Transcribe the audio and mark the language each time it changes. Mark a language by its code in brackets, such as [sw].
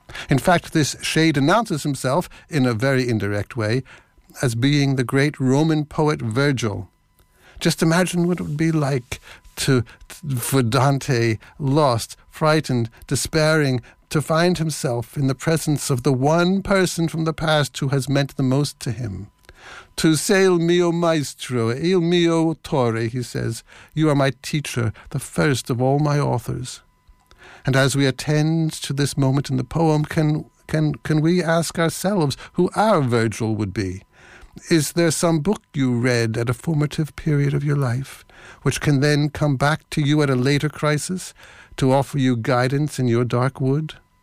[en] In fact, this shade announces himself, in a very indirect way, as being the great Roman poet Virgil. Just imagine what it would be like for Dante, lost, frightened, despairing, to find himself in the presence of the one person from the past who has meant the most to him. [it] "Tu sei il mio maestro, il mio autore," he says. [en] "You are my teacher, the first of all my authors." And as we attend to this moment in the poem, can we ask ourselves who our Virgil would be? Is there some book you read at a formative period of your life, which can then come back to you at a later crisis to offer you guidance in your dark wood?